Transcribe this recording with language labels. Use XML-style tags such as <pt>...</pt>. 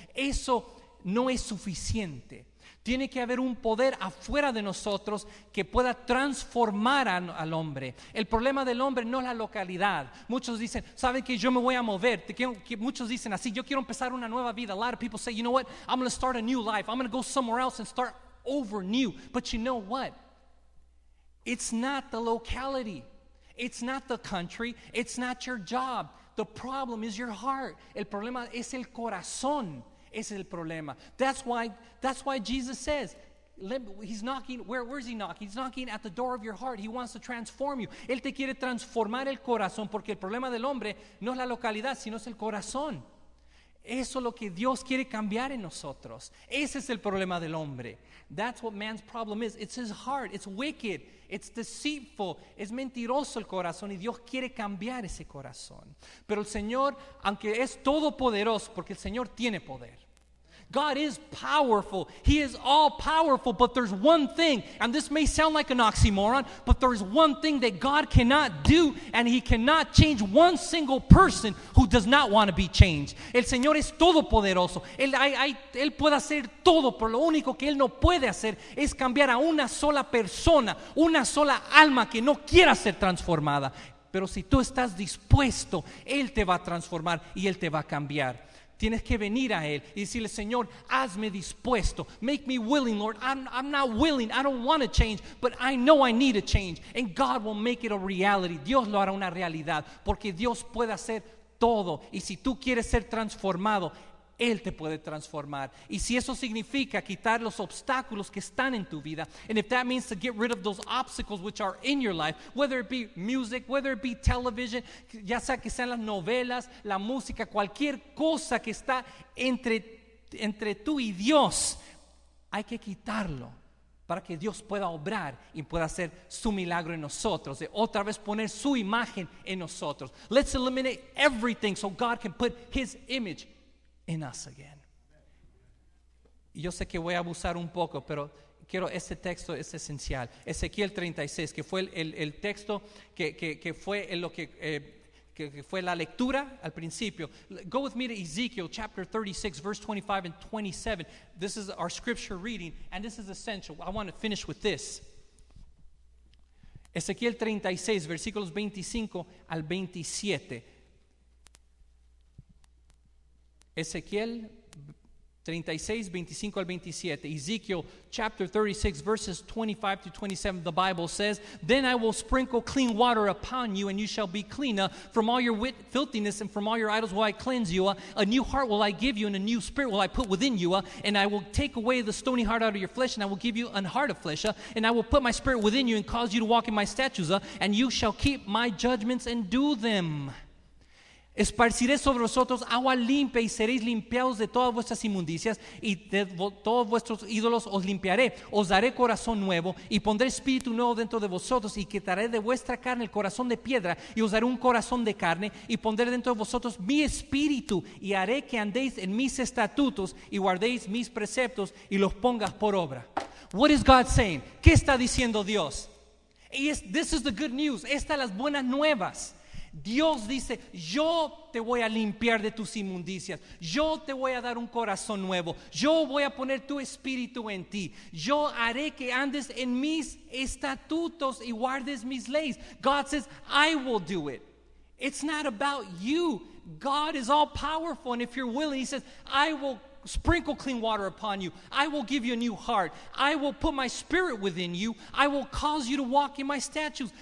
<es>Eso no es suficiente. Tiene que haber un poder afuera de nosotros que pueda transformar al hombre. El problema del hombre no es la localidad. Muchos dicen, ¿saben que yo me voy a mover? Muchos dicen así, yo quiero empezar una nueva vida.</es> <en>A lot of people say, you know what, I'm going to start a new life. I'm going to go somewhere else and start over new. But you know what? It's not the locality. It's not the country. It's not your job. The problem is your heart.</en> <es>El problema es el corazón. Ese es el problema.</es> <en>That's why Jesus says, he's knocking, where is he knocking? He's knocking at the door of your heart. He wants to transform you.</en> <es>Él te quiere transformar el corazón, porque el problema del hombre no es la localidad, sino es el corazón. Eso es lo que Dios quiere cambiar en nosotros. Ese es el problema del hombre.</es> <en>That's what man's problem is. It's his heart. It's wicked. It's deceitful.</en> <es>Es mentiroso el corazón, y Dios quiere cambiar ese corazón. Pero el Señor, aunque es todopoderoso, porque el Señor tiene poder.</es> <en>God is powerful. He is all powerful, but there's one thing, and this may sound like an oxymoron, but there is one thing that God cannot do, and He cannot change one single person who does not want to be changed.</en> <es>El Señor es todopoderoso. Él puede hacer todo, pero lo único que Él no puede hacer es cambiar a una sola persona, una sola alma que no quiera ser transformada. Pero si tú estás dispuesto, Él te va a transformar y Él te va a cambiar. Tienes que venir a Él y decirle, Señor, hazme dispuesto.</es> <en>Make me willing, Lord. I'm not willing. I don't want to change, but I know I need a change. And God will make it a reality.</en> <es>Dios lo hará una realidad porque Dios puede hacer todo. Y si tú quieres ser transformado, Él te puede transformar. Y si eso significa quitar los obstáculos que están en tu vida,</es> <en>and if that means to get rid of those obstacles which are in your life, whether it be music, whether it be television,</en> <es>ya sea que sean las novelas, la música, cualquier cosa que está entre tú y Dios, hay que quitarlo para que Dios pueda obrar y pueda hacer su milagro en nosotros, de otra vez poner su imagen en nosotros.</es> <en>Let's eliminate everything so God can put His image in us again.</en> <es>Y yo sé que voy a abusar un poco, pero quiero, este texto es esencial. Ezequiel 36, que fue el texto que fue lo que fue la lectura al principio.</es> <en>Go with me to Ezekiel chapter 36, verse 25 and 27. This is our scripture reading, and this is essential. I want to finish with this.</en> <es>Ezequiel 36, versículos 25 al 27. Ezequiel 36, 25 al 27.</es> <en>Ezekiel chapter 36, verses 25 to 27. The Bible says, "Then I will sprinkle clean water upon you, and you shall be clean. From all your filthiness and from all your idols will I cleanse you. A new heart will I give you, and a new spirit will I put within you. And I will take away the stony heart out of your flesh, and I will give you an heart of flesh. And I will put my spirit within you and cause you to walk in my statutes. And you shall keep my judgments and do them.</en> <es>Esparciré sobre vosotros agua limpia y seréis limpiados de todas vuestras inmundicias y de todos vuestros ídolos os limpiaré. Os daré corazón nuevo y pondré espíritu nuevo dentro de vosotros y quitaré de vuestra carne el corazón de piedra y os daré un corazón de carne y pondré dentro de vosotros mi espíritu y haré que andéis en mis estatutos y guardéis mis preceptos y los pongas por obra."</es> <en>What is God saying?</en> <es>¿Qué está diciendo Dios?</es> <en>This is the good news.</en> <es>Estas las buenas nuevas. Dios dice, yo te voy a limpiar de tus inmundicias, yo te voy a dar un corazón nuevo, yo voy a poner tu espíritu en ti, yo haré que andes en mis estatutos y guardes mis leyes.</es> <en>God says, I will do it. It's not about you. God is all powerful, and if you're willing, He says, I will sprinkle clean water upon you. I will give you a new heart. I will put my spirit within you. I will cause you to walk in my statutes.</en>